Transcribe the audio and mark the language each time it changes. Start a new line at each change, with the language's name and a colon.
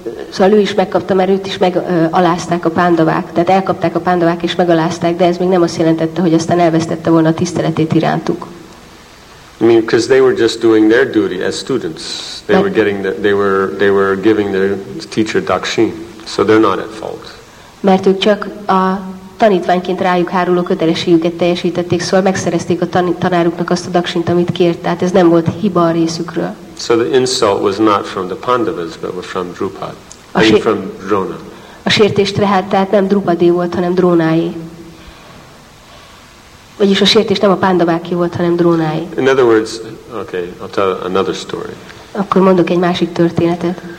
Hungarian: Szóval ő is megkapta, mert őt is megalázták a Pándavák, tehát elkapták a Pándavák és megalázták, de ez még nem azt jelentette, hogy aztán elvesztette volna a tiszteletét irántuk.
English: I mean, because they were just doing their duty as students. They were giving their teacher dakshin, so they're not at fault.
Hungarian: Mert ők csak a tanítványként rájuk háruló kötelességüket teljesítették, szóval megszerezték a tanáruknak azt a daksint, amit kért, tehát ez nem volt hiba a részükről.
English: So the insult was not from the Pandavas, but was from Drupad. From Drona.
Hungarian: A sértés tehát nem Drupadé volt, hanem Drónáé. Vagyis a sértés nem a Pandaváké volt, hanem Drónáé.
English: In other words, okay, I'll tell another story.
Hungarian: Akkor mondok egy másik történetet.